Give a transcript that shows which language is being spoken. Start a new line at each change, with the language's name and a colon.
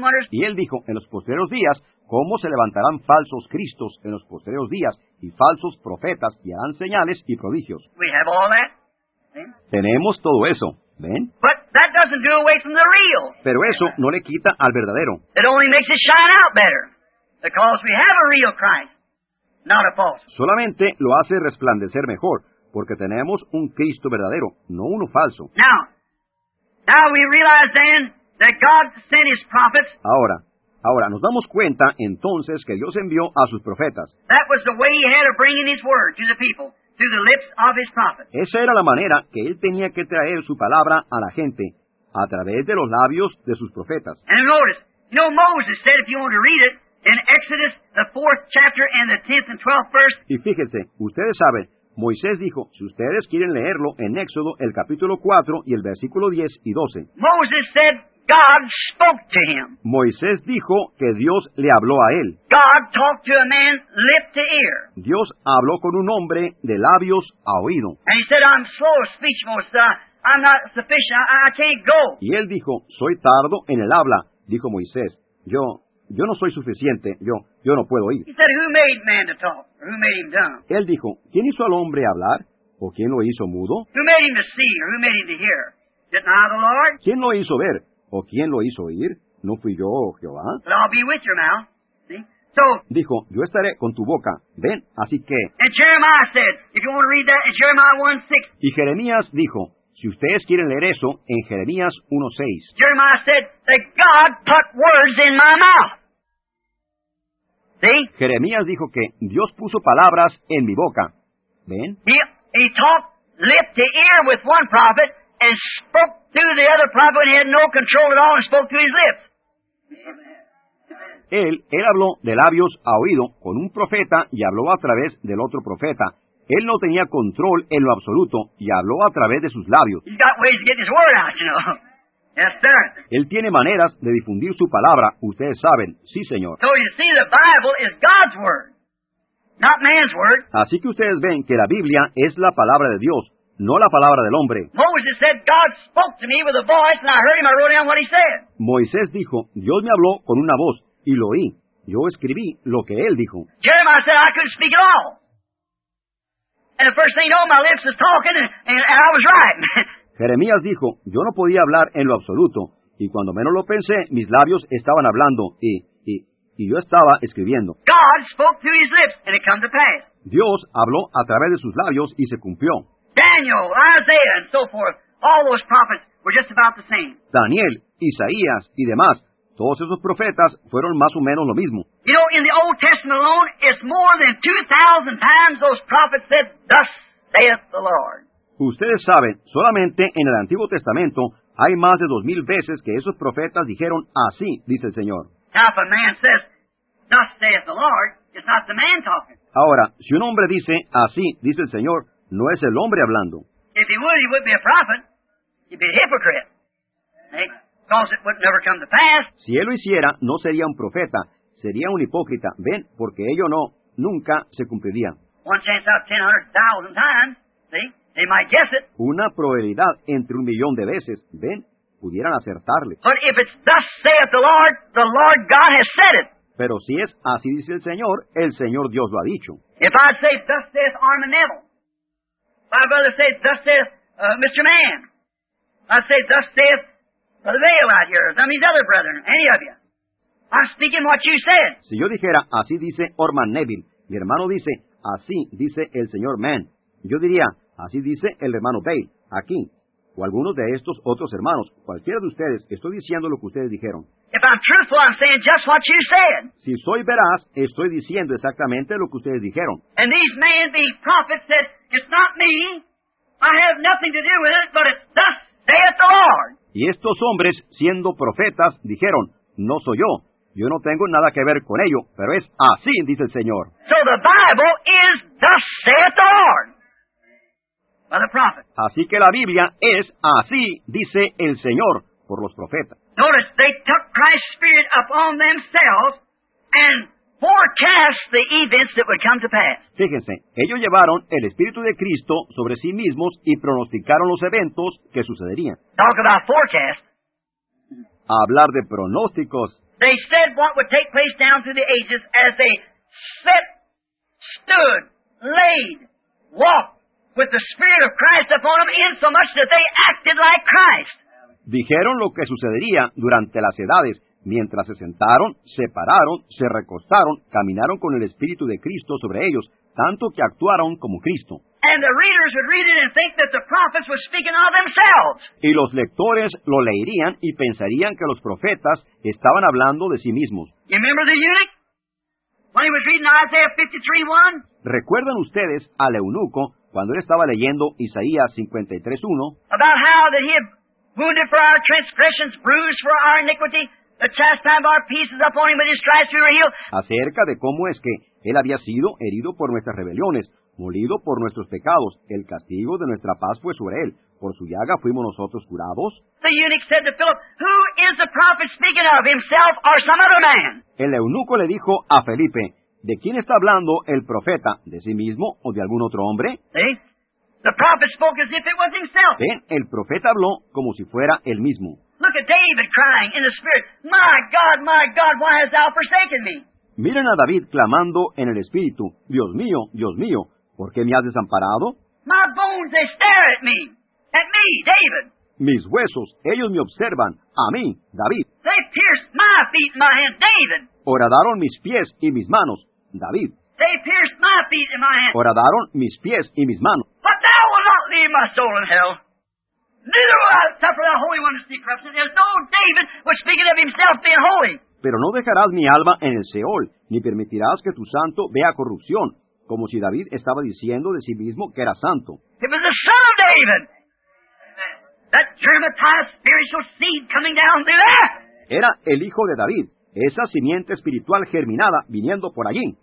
Spanish: Y él dijo en los posteriores días cómo se levantarán falsos cristos en los posteriores días y falsos profetas y harán señales y prodigios.
English: We have all that.
Spanish: Tenemos todo eso. ¿Ven?
English: But that doesn't do away from the real.
Spanish: Pero eso no le quita al verdadero.
English: It only makes it shine out better. Because we have a real Christ, not a false.
Spanish: Solamente lo hace resplandecer mejor, porque tenemos un Cristo verdadero, no uno falso.
English: Now we realize then that God sent his prophets.
Spanish: Ahora nos damos cuenta entonces que Dios envió a sus profetas.
English: That was the way he had of bringing his word to the people. Through the lips of his prophets.
Spanish: Esa era la manera que él tenía que traer su palabra a la gente, a través de los labios de sus profetas.
English: And notice, you know, Moses said, if you want to read it, in Exodus, the 4th chapter and the 10th and 12th verse.
Spanish: Y fíjense, ustedes saben, Moisés dijo, si ustedes quieren leerlo en Éxodo, el capítulo 4 y el versículo 10 y 12.
English: Moses said, God spoke to him.
Spanish: Moisés dijo que Dios le habló a él.
English: God talked to a man lip to ear.
Spanish: Dios habló con un hombre de labios a oído.
English: And he said, I'm slow of speech, Moses. I'm not sufficient. I can't go.
Spanish: Y él dijo, soy tardo en el habla, dijo Moisés. Yo no soy suficiente. Yo no puedo ir.
English: He said, who made man to talk? Or who made him dumb?
Spanish: Él dijo, ¿quién hizo al hombre hablar? ¿O quién lo hizo mudo?
English: Who made him to see? Or who made him to hear? Didn't I, the Lord?
Spanish: ¿Quién lo hizo ver? ¿O quién lo hizo oír? ¿No fui yo, Jehová?
English: But I'll be with your mouth. See? So,
Spanish: dijo, yo estaré con tu boca. Ven, así que.
English: And Jeremiah said, if you want to read that, in Jeremiah 1:6.
Spanish: Y Jeremías dijo, si ustedes quieren leer eso, en Jeremías 1:6.
English: Jeremiah said, that God put words in my mouth. See?
Spanish: Jeremías dijo que Dios puso palabras en mi boca. Ven.
English: He talked lift the ear with one prophet and spoke to the other prophet when he had no control at all and spoke to his lips.
Spanish: Él habló de labios a oído con un profeta y habló a través del otro profeta. Él no tenía control en lo absoluto y habló a través de sus labios.
English: He's got ways to get his word out, you know. Yes, sir.
Spanish: Él tiene maneras de difundir su palabra, ustedes saben. Sí, señor.
English: So you see, the Bible is God's word, not man's word.
Spanish: Así que ustedes ven que la Biblia es la palabra de Dios, no la palabra del hombre.
English: Moses said, God spoke to me with a voice, and I heard him, I wrote down what he said.
Spanish: Moisés dijo, Dios me habló con una voz, y lo oí. Yo escribí lo que él dijo.
English: Jeremiah said, I couldn't speak at all. And the first thing you know, my lips is talking, and I was right.
Spanish: Jeremías dijo, yo no podía hablar en lo absoluto, y cuando menos lo pensé, mis labios estaban hablando, y yo estaba escribiendo.
English: God spoke through his lips, and it come to pass.
Spanish: Dios habló a través de sus labios, y se cumplió.
English: Daniel, Isaiah, and so forth, all those prophets were just about the same.
Spanish: Daniel, Isaías, y demás, todos esos profetas fueron más o menos lo mismo.
English: You know, in the Old Testament alone, it's more than 2,000 times those prophets said, thus saith the Lord.
Spanish: Ustedes saben, solamente en el Antiguo Testamento hay más de 2,000 veces que esos profetas dijeron, así, dice el Señor.
English: Now, if a man says, thus saith the Lord, it's not the man talking.
Spanish: Ahora, si un hombre dice, así, dice el Señor, no es el hombre hablando.
English: If he would, he wouldn't be a prophet. He'd be a hypocrite. Because it would never come to pass.
Spanish: Si él lo hiciera, no sería un profeta. Sería un hipócrita. Ven, porque ello no, nunca se cumpliría.
English: One chance out of 10,000 times, see? They might guess it.
Spanish: Una probabilidad entre 1,000,000 de veces, ven, pudieran acertarle.
English: But if it's thus saith the Lord God has said it.
Spanish: Pero si es así dice el Señor Dios lo ha dicho.
English: If I say thus saith Arm and Neville, my brother says thus saith Mr. Mann. I say thus saith Brother Vale out here, some of these other brethren, any of you. I speak in what you said.
Spanish: Si yo dijera así dice Arm and Neville, mi hermano dice así dice el Señor Mann, yo diría. Así dice el hermano Bale, aquí, o algunos de estos otros hermanos, cualquiera de ustedes, estoy diciendo lo que ustedes dijeron.
English: If I'm truthful, I'm saying just what you said.
Spanish: Si soy veraz, estoy diciendo exactamente lo que ustedes dijeron.
English: And these men, these prophets said, it's not me, I have nothing to do with it, but it's thus saith the Lord.
Spanish: Y estos hombres, siendo profetas, dijeron, no soy yo. Yo no tengo nada que ver con ello, pero es así, dice el Señor.
English: So the Bible is thus saith the Lord. By the prophet.
Spanish: Así que la Biblia es así, dice el Señor, por los profetas.
English: Notice, they took Christ's spirit upon themselves and forecast the events that would come to pass.
Spanish: Fíjense, ellos llevaron el Espíritu de Cristo sobre sí mismos y pronosticaron los eventos que sucederían.
English: Talk about forecast.
Spanish: Hablar de pronósticos.
English: They said what would take place down through the ages as they sat, stood, laid, walked. With the Spirit of Christ upon them, in so much that they acted like Christ.
Spanish: Dijeron lo que sucedería durante las edades, mientras se sentaron, se pararon, se recostaron, caminaron con el Espíritu de Cristo sobre ellos, tanto que actuaron como Cristo.
English: And the readers would read it and think that the prophets were speaking of themselves.
Spanish: Y los lectores lo leerían y pensarían que los profetas estaban hablando de sí mismos.
English: You remember the eunuch? When he was reading Isaiah 53:1?
Spanish: ¿Recuerdan ustedes al eunuco? Cuando él estaba leyendo Isaías 53:1,
English: about how that he had wounded for our transgressions, bruised for our iniquity, the chastisement of our peace is upon him, with his stripes we were healed.
Spanish: Acerca de cómo es que él había sido herido por nuestras rebeliones, molido por nuestros pecados, el castigo de nuestra paz fue sobre él, por su llaga fuimos nosotros curados.
English: The eunuch said to Philip, who is the prophet speaking of, himself or some other man?
Spanish: El eunuco le dijo a Felipe, ¿de quién está hablando el profeta? ¿De sí mismo o de algún otro hombre? ¿Sí?
English: The prophet spoke as if it was himself.
Spanish: Ven, el profeta habló como si fuera él mismo.
English: Look at David crying in the spirit, my God, why hast thou forsaken me?
Spanish: Miren a David clamando en el espíritu, Dios mío, ¿por qué me has desamparado?
English: My bones, they stare at me, David.
Spanish: Mis huesos, ellos me observan, a mí, David.
English: They pierced my feet and my hands, David.
Spanish: Horadaron mis pies y mis manos, David.
English: They pierced my feet and my hands.
Spanish: Horadaron mis pies y mis manos.
English: But thou wilt not leave my soul in hell. Neither will I suffer the Holy One to see corruption. There's no David was speaking of himself being holy.
Spanish: Pero no dejarás mi alma en el Seol, ni permitirás que tu santo vea corrupción. como si David estaba diciendo de sí mismo que era santo.
English: It was the son of David. That germinated spiritual seed coming down through there.
Spanish: Era el hijo de David, esa simiente espiritual germinada viniendo por allí.